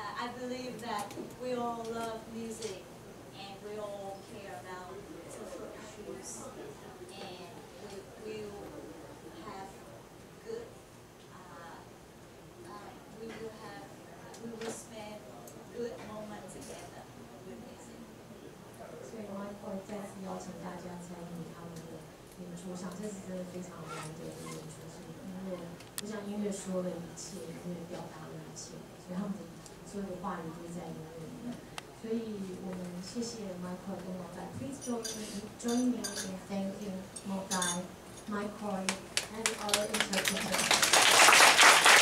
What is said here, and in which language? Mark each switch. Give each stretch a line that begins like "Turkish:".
English: I believe that we all love music and we all care about social issues and we will have good, we will spend. Good moment together.
Chinese: So, Michael 再次邀请大家参与他们的演出，我想这次真的非常难得的演出，是音乐，就像音乐说了一切，音乐表达了一切，所以他们所有的话语都在音乐里面。所以我们谢谢 Michael 跟 Mokdai.
English: Please join me in thanking Mokdai, Michael, and our interpreters.